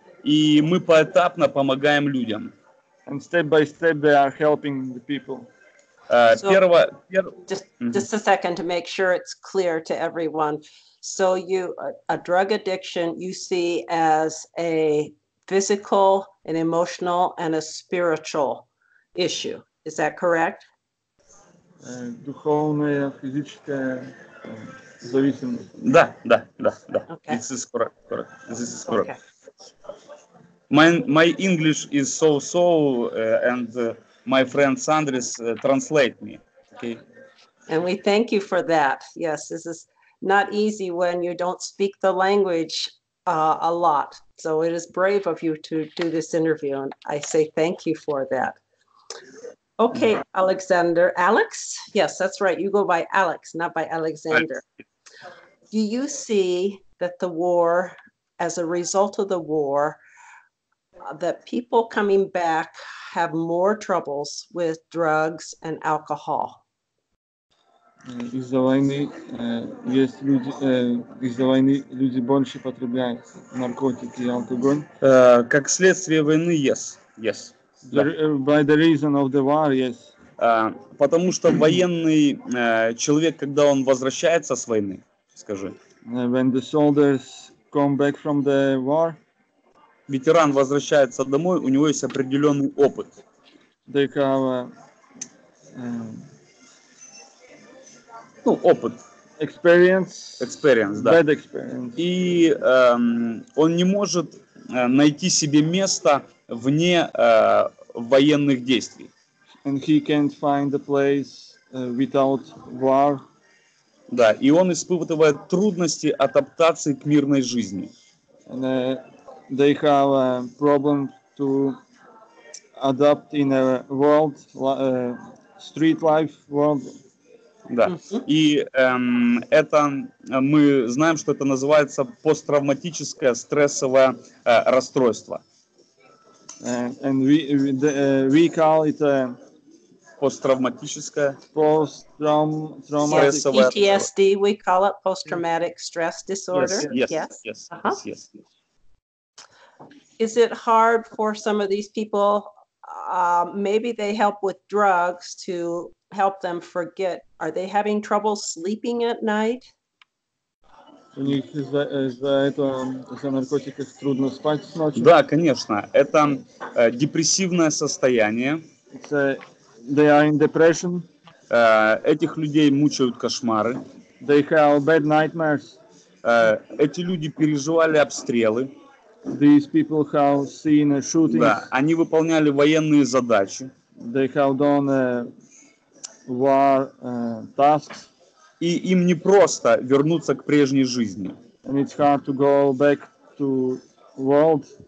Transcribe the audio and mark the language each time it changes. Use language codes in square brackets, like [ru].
[ru] И мы поэтапно помогаем людям. [en] And step by step, they are helping the people. Just a second to make sure it's clear to everyone. So you, a drug addiction, you see as a physical, an emotional, and a spiritual issue. Is that correct? [ru] Духовная, физическая зависимость. Да, да, да, да. [en] This is correct. This is correct. Okay. My English is so-so, and my friend Sandris translate me. Okay. And we thank you for that. Yes, this is not easy when you don't speak the language a lot. So it is brave of you to do this interview, and I say thank you for that. Okay, Alexander. Alex? Yes, that's right. You go by Alex, not by Alexander. Right. Do you see that the war, as a result of the war, that people coming back have more troubles with drugs and alcohol? [ru] Из-за войны есть люди, из-за войны люди больше потребляют наркотики и алкоголь. Как следствие войны, [en] yes, yes. By the reason of the war, yes. [ru] Потому что военный человек, когда он возвращается с войны, скажи. [en] When the soldiers come back from the war. [ru] Ветеран возвращается домой, у него есть определенный опыт. [en] They have [ru] опыт. [en] Experience, [ru] да. [en] Bad experience. [ru] И он не может найти себе место вне военных действий. [en] And he can't find a place without war. [ru] Да, и он испытывает трудности адаптации к мирной жизни. [en] And, they have a problem to adapt in a world, street life world. [ru] Да. И это мы знаем, что это называется посттравматическое стрессовое расстройство. [en] And we call it a [ru] посттравматическое стрессовое [en] PTSD. We call it post-traumatic stress disorder. Yes. Yes. Yes. Yes. Is it hard for some of these people, maybe they help with drugs to help them forget, are they having trouble sleeping at night? [ru] У них из-за этого наркотиков трудно спать ночью? Да, конечно. Это депрессивное состояние. [en] They are in depression. [ru] Этих людей мучают кошмары. [en] They have bad nightmares. [ru] Эти люди переживали обстрелы. [en] These people have seen a shooting. [ru] Да, они выполняли военные задачи. [en] They have done war tasks. [ru] И им не просто вернуться к прежней жизни. [en] And it's hard to go back to world.